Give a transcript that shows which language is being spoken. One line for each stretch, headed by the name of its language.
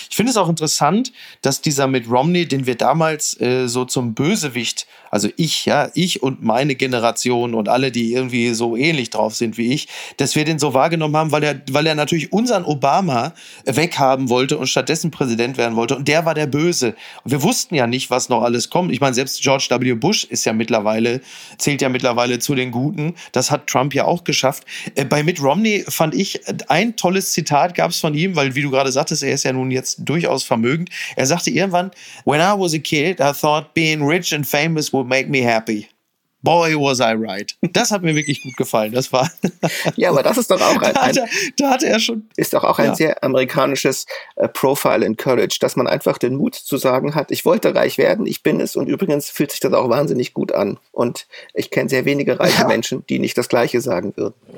German: Ich finde es auch interessant, dass dieser Mitt Romney, den wir damals so zum Bösewicht, also ich und meine Generation und alle, die irgendwie so ähnlich drauf sind wie ich, dass wir den so wahrgenommen haben, weil er natürlich unseren Obama weghaben wollte und stattdessen Präsident werden wollte. Und der war der Böse. Und wir wussten ja nicht, was noch alles kommt. Ich meine, selbst George W. Bush zählt ja mittlerweile zu den Guten. Das hat Trump ja auch geschafft. Bei Mitt Romney fand ich, ein tolles Zitat gab es von ihm, weil, wie du gerade sagtest, er ist ja nun jetzt durchaus vermögend. Er sagte irgendwann,
English: "When I was a kid, I thought being rich and famous would make me happy. Boy, was I right."
German: Das hat mir wirklich gut gefallen. Das war ja, aber das ist doch auch ein ist doch auch ein sehr amerikanisches Profile in Courage, dass man einfach den Mut zu sagen hat, ich wollte reich werden, ich bin es. Und übrigens fühlt sich das auch wahnsinnig gut an. Und ich kenne sehr wenige reiche Menschen, die nicht das Gleiche sagen würden.